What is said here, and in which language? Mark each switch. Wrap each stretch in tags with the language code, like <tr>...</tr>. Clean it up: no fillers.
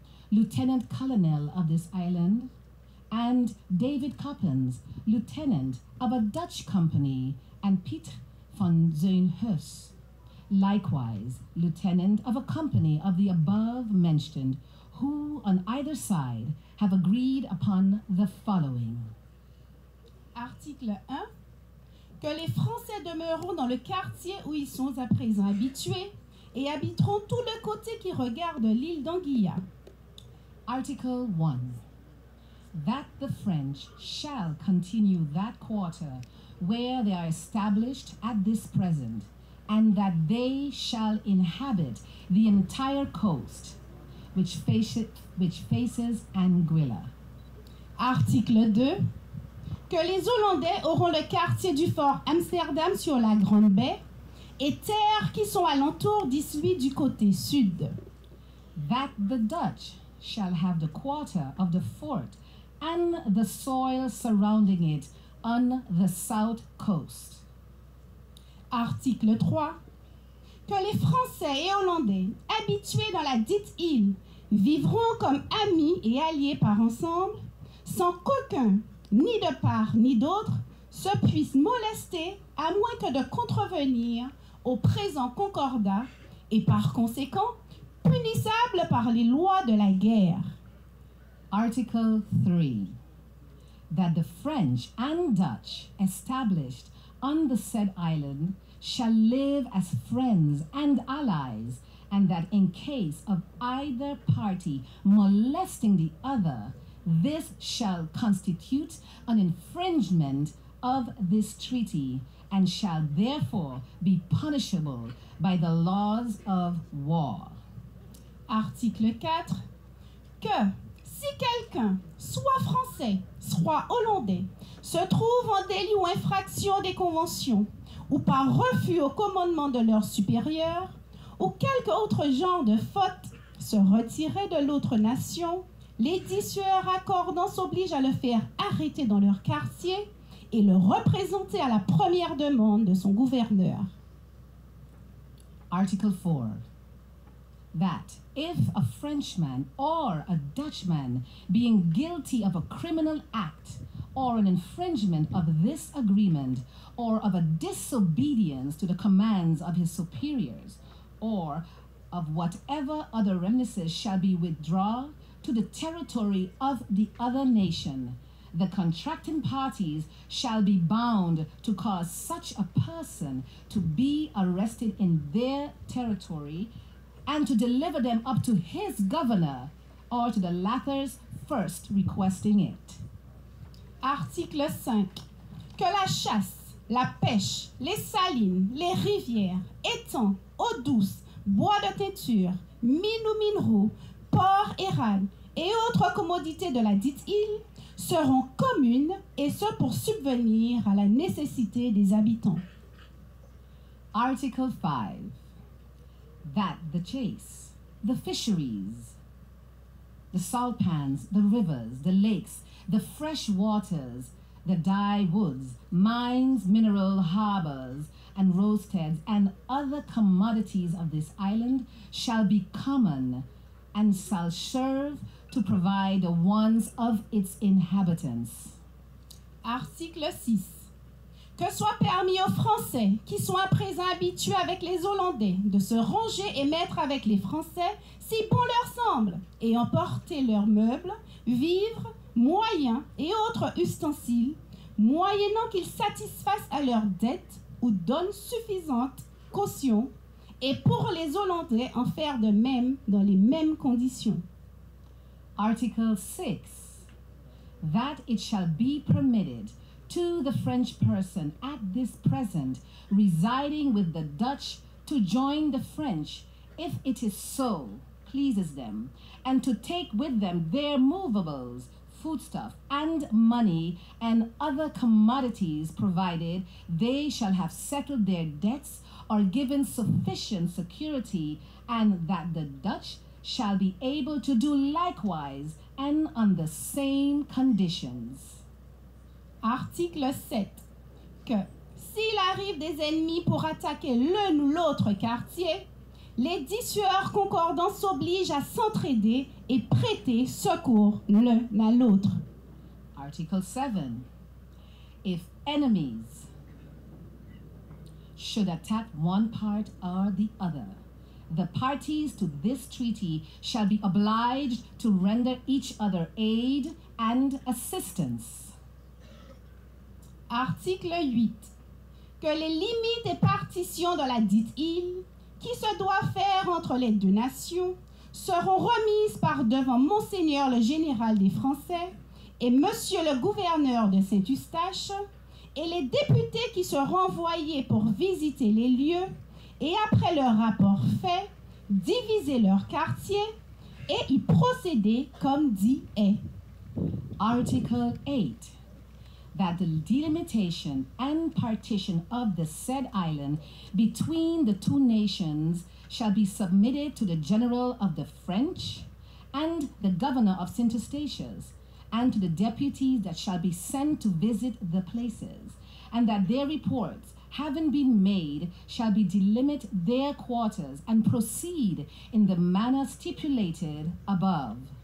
<en>lieutenant colonel of this island, and David Coppens, lieutenant of a Dutch company, and Pieter van den Oes, likewise lieutenant of a company of the above mentioned, who on either side have agreed upon the following.</en> <fr>Article 1. Que les Français demeureront dans le quartier où ils sont à présent habitués et habiteront tout le côté qui regarde l'île d'Anguilla.</fr> <en>Article 1. That the French shall continue that quarter where they are established at this present, and that they shall inhabit the entire coast which faces Anguilla.</en> <fr>Article 2. Que les Hollandais auront le quartier du fort Amsterdam sur la Grande Baie et terres qui sont alentour d'Islui du côté sud.</fr> <en>That the Dutch shall have the quarter of the fort and the soil surrounding it on the south coast.</en> <fr>Article 3. Que les Français et Hollandais, habitués dans la dite île, vivront comme amis et alliés par ensemble, sans qu'aucun, ni de part ni d'autre, se puisse molester à moins que de contrevenir au présent concordat et par conséquent punissable par les lois de la guerre.</fr> <en>Article 3. That the French and Dutch established on the said island shall live as friends and allies, and that in case of either party molesting the other, this shall constitute an infringement of this treaty and shall therefore be punishable by the laws of war.</en> <fr>Article 4. Que si quelqu'un, soit français, soit hollandais, se trouve en délit ou infraction des conventions, ou par refus au commandement de leur supérieur, ou quelque autre genre de faute, se retirer de l'autre nation, lesdits sieurs accordants s'obligent à le faire arrêter dans leur quartier et le représenter à la première demande de son gouverneur.</fr> <en>Article 4. That if a Frenchman or a Dutchman, being guilty of a criminal act or an infringement of this agreement or of a disobedience to the commands of his superiors or of whatever other remnants shall be withdrawn to the territory of the other nation, the contracting parties shall be bound to cause such a person to be arrested in their territory and to deliver them up to his governor or to the latter's first requesting it.</en> <fr>Article 5. Que la chasse, la pêche, les salines, les rivières, étangs, eaux douces, bois de teinture, mines ou minéraux, ports et rails, et autres commodités de la dite île seront communes, et ce pour subvenir à la nécessité des habitants.</fr> <en>Article 5. That the chase, the fisheries, the salt pans, the rivers, the lakes, the fresh waters, the dye woods, mines, mineral harbors, and roadsteads, and other commodities of this island shall be common and shall serve to provide the wants of its inhabitants.</en> <fr>Article 6. Que soit permis aux Français, qui sont à présent habitués avec les Hollandais, de se ranger et mettre avec les Français, si bon leur semble, et emporter leurs meubles, vivres, moyens et autres ustensiles, moyennant qu'ils satisfassent à leurs dettes ou donnent suffisante caution, et pour les Hollandais en faire de même dans les mêmes conditions.</fr> <en>Article 6. That it shall be permitted to the French person at this present residing with the Dutch to join the French, if it is so pleases them, and to take with them their movables, foodstuff, and money, and other commodities, provided they shall have settled their debts or given sufficient security, and that the Dutch shall be able to do likewise and on the same conditions.</en> <fr>Article 7. Que s'il arrive des ennemis pour attaquer l'un ou l'autre quartier, les dix sueurs concordants s'obligent à s'entraider et prêter secours l'un à l'autre.</fr> <en>Article 7. If enemies should attack one part or the other, the parties to this treaty shall be obliged to render each other aid and assistance.</en> <fr>Article 8. Que les limites et partitions de la dite île, qui se doit faire entre les deux nations, seront remises par devant Monseigneur le Général des Français et Monsieur le Gouverneur de Saint-Eustache, et les députés qui seront envoyés pour visiter les lieux, et après leur rapport fait, diviser leur quartier et y procéder comme dit est.</fr> <en>Article 8. That the delimitation and partition of the said island between the two nations shall be submitted to the General of the French and the Governor of St. Eustache, and to the deputies that shall be sent to visit the places, and that their reports, having been made, shall be delimit their quarters and proceed in the manner stipulated above.</en>